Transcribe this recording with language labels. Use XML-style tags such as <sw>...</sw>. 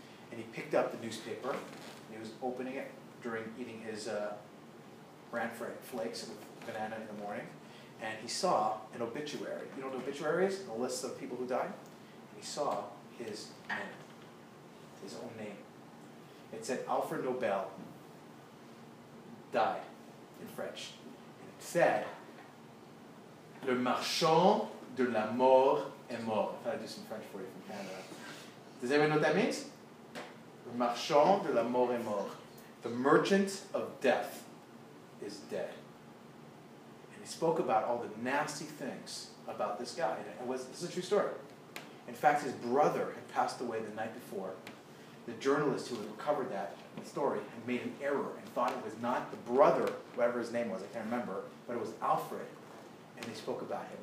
<en>And he picked up the newspaper, and he was opening it during eating his Brantford flakes with banana in the morning. And he saw an obituary. You know what an obituary is? A list of people who died? And he saw his name. His own name. It said Alfred Nobel died in French. And it said,</en> <fr>Le marchand de la mort est mort.</fr> <en>I thought I'd do some French for you from Canada. Does anybody know what that means?</en> <fr>Le marchand de la mort est mort.</fr> <en>The merchant of death is dead. And he spoke about all the nasty things about this guy. This is a true story. In fact, his brother had passed away the night before. The journalist who had recovered that story had made an error and thought it was not the brother, whatever his name was, I can't remember, but it was Alfred, and they spoke about him.</en>